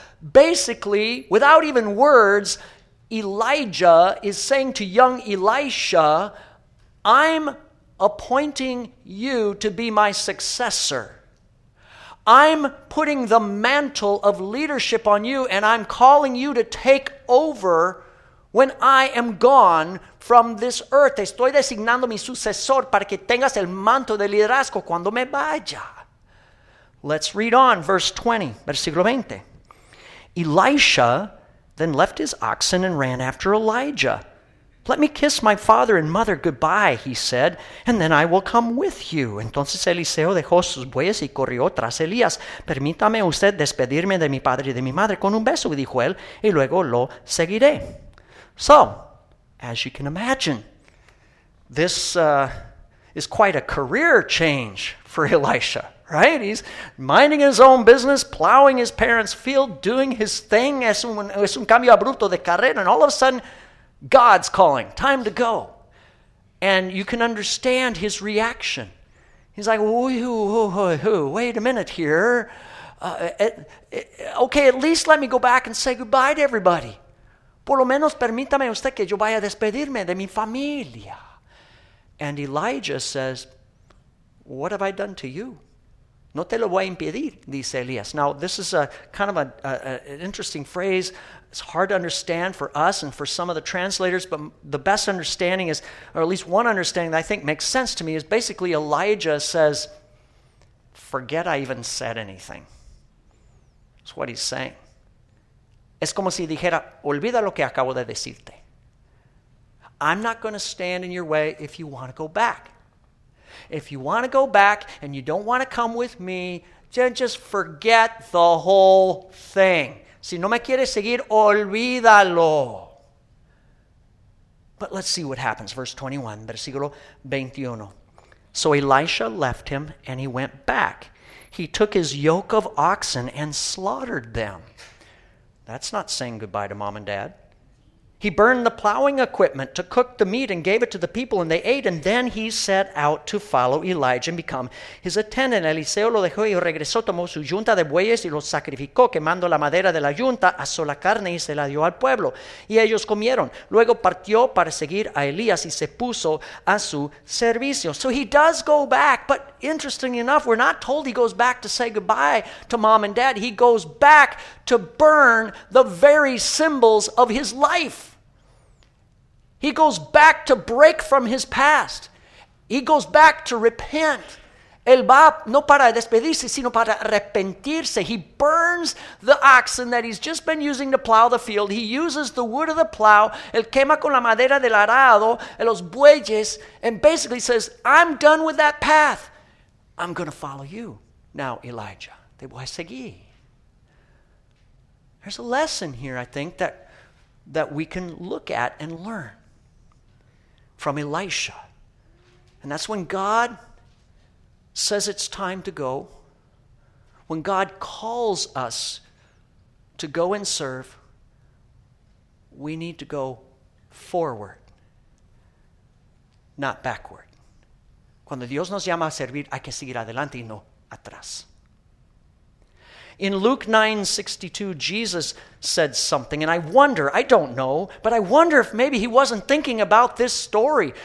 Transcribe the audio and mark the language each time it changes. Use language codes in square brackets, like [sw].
[en] Basically, without even words, Elijah is saying to young Elisha, I'm appointing you to be my successor. I'm putting the mantle of leadership on you, and I'm calling you to take over when I am gone from this earth. [es] Estoy designando mi sucesor para que tengas el manto de liderazgo cuando me vaya. [en] Let's read on, verse 20, [es] versículo 20. [en] Elisha then left his oxen and ran after Elijah. Let me kiss my father and mother goodbye, he said, and then I will come with you. [es] Entonces Eliseo dejó sus bueyes y corrió tras Elías. Permítame usted despedirme de mi padre y de mi madre con un beso, dijo él, y luego lo seguiré. [en] So, as you can imagine, this is quite a career change for Elisha. Right? He's minding his own business, plowing his parents' field, doing his thing. [es] Es un cambio abrupto de carrera. [en] And all of a sudden, God's calling. Time to go. And you can understand his reaction. He's like, wait a minute here. At least let me go back and say goodbye to everybody. [es] Por lo menos permítame usted que yo vaya a despedirme de mi familia. [en] And Elijah says, what have I done to you? [es] No te lo voy a impedir, dice Elías. [en] Now, this is an interesting phrase. It's hard to understand for us and for some of the translators, but the best understanding is, or at least one understanding that I think makes sense to me, is basically Elijah says, forget I even said anything. That's what he's saying. [es] Es como si dijera, olvida lo que acabo de decirte. [en] I'm not going to stand in your way if you want to go back. If you want to go back and you don't want to come with me, then just forget the whole thing. [es] Si no me quieres seguir, olvídalo. [en] But let's see what happens. Verse 21, [es] versículo 21. [en] So Elisha left him and he went back. He took his yoke of oxen and slaughtered them. That's not saying goodbye to mom and dad. He burned the plowing equipment to cook the meat and gave it to the people and they ate. And then he set out to follow Elijah and become his attendant. [es] Eliseo lo dejó y regresó, tomó su yunta de bueyes y lo sacrificó, quemando la madera de la yunta, asó la carne y se la dio al pueblo. Y ellos comieron. Luego partió para seguir a Elías y se puso a su servicio. [en] So he does go back, but interestingly enough, we're not told he goes back to say goodbye to mom and dad. He goes back to burn the very symbols of his life. He goes back to break from his past. He goes back to repent. [es] Él va no para despedirse, sino para arrepentirse. [en] He burns the oxen that he's just been using to plow the field. He uses the wood of the plow. [es] Él quema con la madera del arado, los bueyes, [en] and basically says, I'm done with that path. I'm going to follow you. [es] Now, Elijah, te voy a seguir. [en] There's a lesson here, I think, that we can look at and learn from Elisha. And that's when God says it's time to go, when God calls us to go and serve, we need to go forward, not backward. [es] Cuando Dios nos llama a servir, hay que seguir adelante y no atrás. [en] In Luke 9:62, Jesus said something, and I wonder, I don't know, but I wonder if maybe he wasn't thinking about this story.